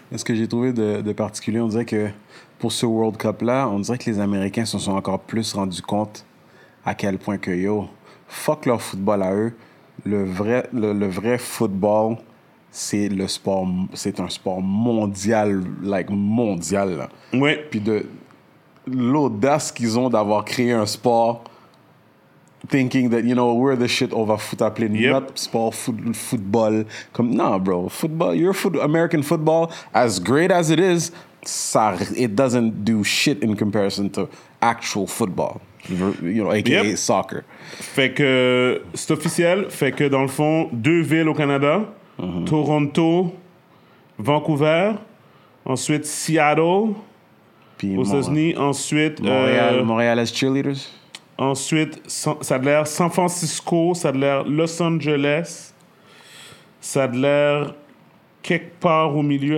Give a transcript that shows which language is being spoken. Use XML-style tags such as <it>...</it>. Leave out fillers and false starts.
<fr>Est-ce que j'ai trouvé de particulier? On dirait que pour ce World Cup-là, on dirait que les Américains se sont encore plus rendus compte à quel point que, yo, fuck leur football à eux. Le vrai football, c'est le sport, c'est un sport mondial, like mondial. Ouais. Puis de l'audace qu'ils ont d'avoir créé un sport</fr> <en>thinking that, you know, we're the shit over futa plane, yep. Not sport football. Comme, nah, bro, football, your foot, American football, as great as it is, ça, it doesn't do shit in comparison to actual football, you know, aka yep. soccer.</en> <fr>Fait que, c'est officiel, fait que dans le fond, deux villes au Canada, mm-hmm. Toronto, Vancouver, ensuite Seattle, puis aux États-Unis, ensuite Montréal, Montréal</fr> <en>as cheerleaders.</en> <fr>Ensuite, ça a l'air San Francisco, ça a l'air Los Angeles, ça a l'air quelque part au milieu.</fr>